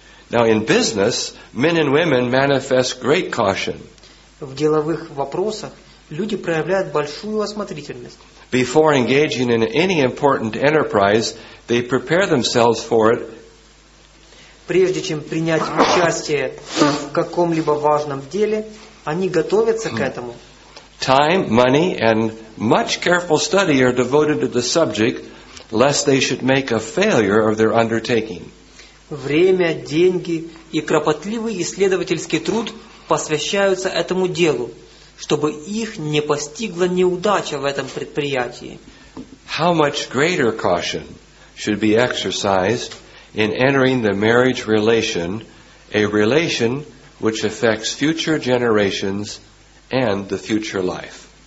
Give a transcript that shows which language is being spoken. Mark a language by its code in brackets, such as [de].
[en] Now in business, men and women manifest great caution. [ru] В деловых вопросах люди проявляют большую осмотрительность. [en] Before engaging in any important enterprise, they prepare themselves for it. [ru] Прежде чем принять участие в каком-либо важном деле, они готовятся к этому. [en] Time, money, and much careful study are devoted to the subject, lest they should make a failure of their undertaking. [ru] Время, деньги и кропотливый исследовательский труд посвящаются этому делу, чтобы их не постигла неудача в этом предприятии. [en] How much greater caution should be exercised in entering the marriage relation, a relation which affects future generations and the future life?